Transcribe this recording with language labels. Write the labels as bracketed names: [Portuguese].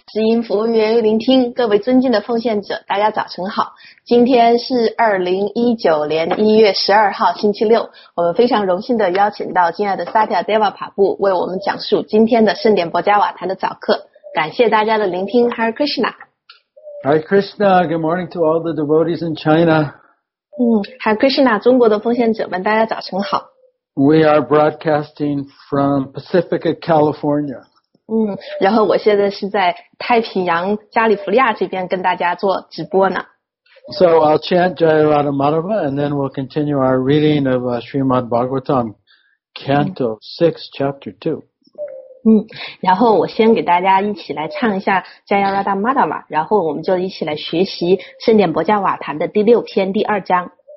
[Chinese] 知音服务员聆听，各位尊敬的奉献者，大家早晨好。今天是2019年1月12号星期六，我们非常荣幸的邀请到敬爱的萨提亚·德瓦帕布为我们讲述今天的圣典博加瓦坛的早课。感谢大家的聆听 ，Hare Krishna。 [English] Hare Krishna, good morning to all the devotees in China. [Chinese] Hare Krishna, 中国的奉献者们，大家早晨好。 [English] We are broadcasting from Pacifica, California. [Chinese] 然后我现在是在太平洋加利福利亚这边跟大家做直播呢。 [English] So I'll chant Jaya Radha Madhava and then we'll continue our reading of Srimad Bhagavatam, Canto 6, Chapter 2. [Chinese] 然后我先给大家一起来唱一下 Jaya Radha Madhava， 然后我们就一起来学习圣典博加瓦坛的第六篇第二章。